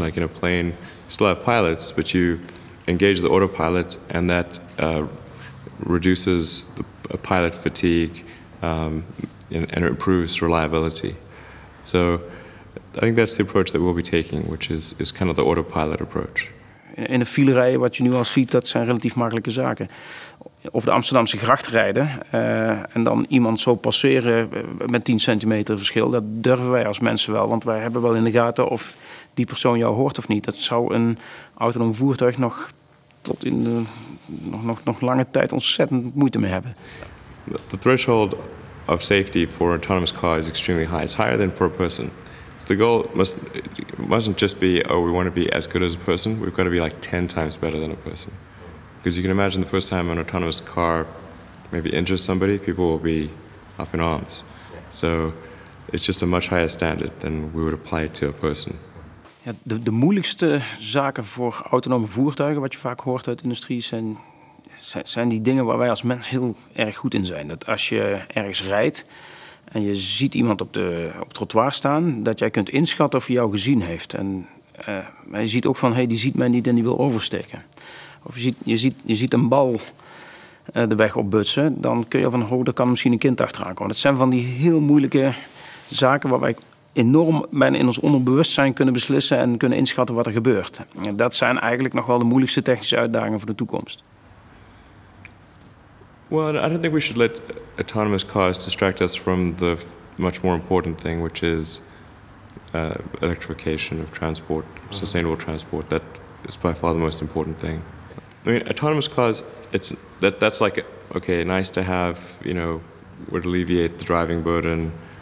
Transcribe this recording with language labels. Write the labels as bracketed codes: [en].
[en] Like in a plane, you still have pilots, but you engage the autopilot, and that reduces the pilot fatigue and improves reliability. So I think that's the approach that we'll be taking, which is kind of the autopilot approach. [nl] In de filerij, wat je nu al ziet, dat zijn relatief makkelijke zaken. Of de Amsterdamse gracht rijden en dan iemand zo passeren met 10 centimeter verschil, dat durven wij als mensen wel. Want wij hebben wel in de gaten of die persoon jou hoort of niet. Dat zou een autonoom voertuig nog tot in de nog lange tijd ontzettend moeite mee hebben. The threshold of safety for an autonomous car is extremely high. It's higher than for a person. The goal mustn't just be, we want to be as good as a person. We've got to be like 10 times better than a person. Because you can imagine the first time an autonomous car maybe injures somebody, people will be up in arms. So it's just a much higher standard than we would apply to a person. Ja, de moeilijkste zaken voor autonome voertuigen, wat je vaak hoort uit de industrie, zijn die dingen waar wij als mens heel erg goed in zijn. Dat als je ergens rijdt en je ziet iemand op het trottoir staan, dat jij kunt inschatten of hij jou gezien heeft. Maar je ziet ook van, hey, die ziet mij niet en die wil oversteken. Of je ziet een bal de weg opbutsen, dan kun je van, oh, daar kan misschien een kind achteraan komen. Dat zijn van die heel moeilijke zaken waar wij enorm bijna in ons onderbewustzijn kunnen beslissen en kunnen inschatten wat er gebeurt. En dat zijn eigenlijk nog wel de moeilijkste technische uitdagingen voor de toekomst. [en] Well, I don't think we should let autonomous cars distract us from the much more important thing, which is electrification of transport, mm-hmm. sustainable transport. That is by far the most important thing. I mean, autonomous cars, that's like, okay, nice to have, you know, would alleviate the driving burden.